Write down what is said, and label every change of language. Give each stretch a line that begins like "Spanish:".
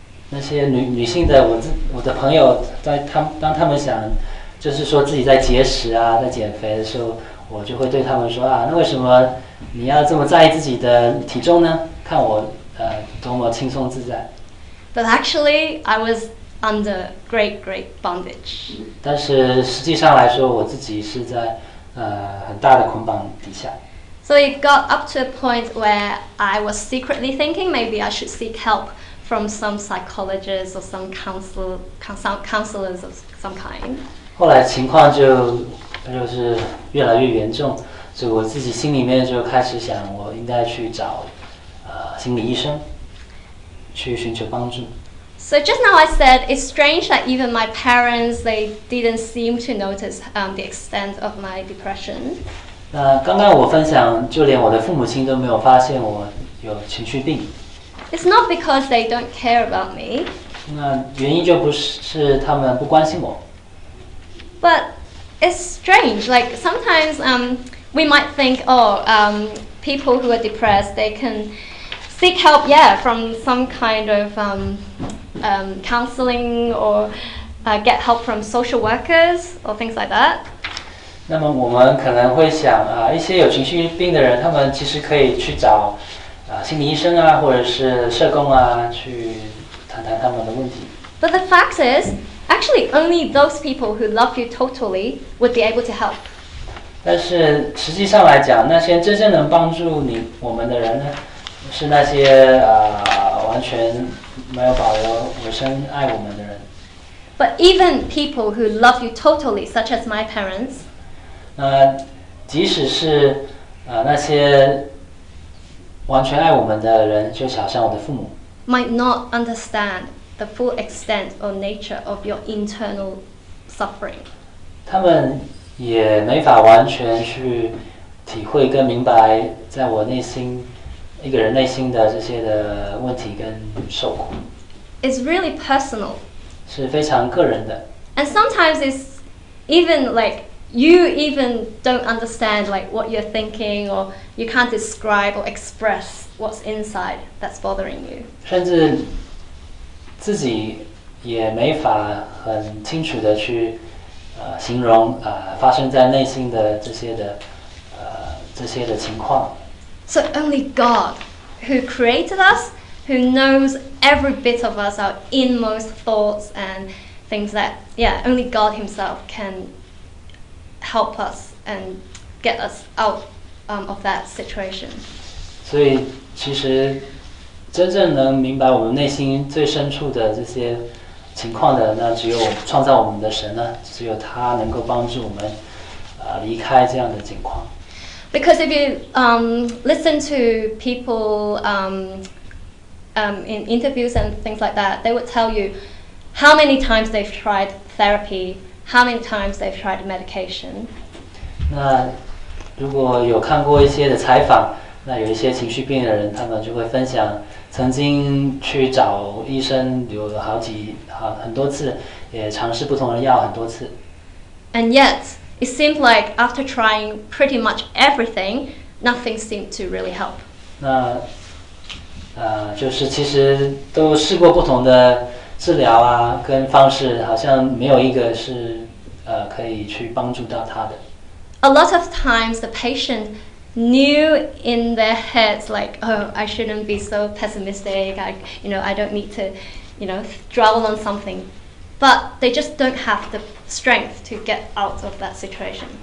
Chinese: 那些女性的我的朋友在当他们想就是说自己在节食啊，在减肥的时候，我就会对他们说啊，那为什么？你要这么在意自己的体重呢？看我多么轻松自在。
English: But actually, I was under great, great bondage.
Chinese: 但是实际上来说，我自己是在很大的捆绑底下。
English: So it got up to a point where I was secretly thinking maybe I should seek help from some psychologists or some counselors of some kind.
Chinese: 后来情况就是越来越严重。所以我自己心里面就开始想，我应该去找心理医生去寻求帮助。
English: So just now I said it's strange that even my parents they didn't seem to notice the extent of my depression.
Chinese: 那刚刚我分享，就连我的父母亲都没有发现我有情绪病。
English: It's not because they don't care about me.
Chinese: 那原因就不是他们不关心我。
English: But it's strange, like sometimes We might think, people who are depressed, they can seek help, from some kind of counseling or get help from social workers or things like that.
Chinese: 那么我们可能会想啊，一些有情绪病的人，他们其实可以去找心理医生啊，或者是社工啊，去谈谈他们的问题。
English: But the fact is, actually, only those people who love you totally would be able to help.
Chinese: 但是实际上来讲，那些真正能帮助我们的人呢，是那些完全没有保留我深爱我们的人。
English: But even people who love you totally, such as my parents.
Chinese: 即使是那些完全爱我们的人，就好像我的父母。
English: Might not understand the full extent or nature of your internal suffering.
Chinese: 他们也没法完全去体会跟明白在我内心一个人内心的这些的问题跟受苦。
English: It's really personal.
Chinese: 是非常个人的。
English: And sometimes it's even like you even don't understand like what you're thinking or you can't describe or express what's inside that's bothering you.
Chinese: 甚至自己也没法很清楚的去形容发生在内心的这些的这些的情况。
English: So only God, who created us, who knows every bit of us, our inmost thoughts and things that, yeah, only God himself can help us and get us out of that situation.
Chinese: 所以其实真正能明白我们内心最深处的这些情况的，那只有创造我们的神呢，只有他能够帮助我们离开这样的情况。
English: Because if you listen to people in interviews and things like that, they would tell you how many times they've tried therapy, how many times they've tried medication.
Chinese: 那如果有看过一些的采访，那有一些情绪病的人，他们就会分享曾经去找医生有好几好很多次，也尝试不同的药很多次。
English: And yet. It seemed like after trying pretty much everything, nothing seemed to really help.
Chinese: 那，就是其实都试过不同的治疗啊，跟方式，好像没有一个是，可以去帮助到他的。
English: A lot of times, the patient knew in their heads like, "Oh, I shouldn't be so pessimistic. I don't need to, dwell on something." But they just don't have the strength to get out of that situation.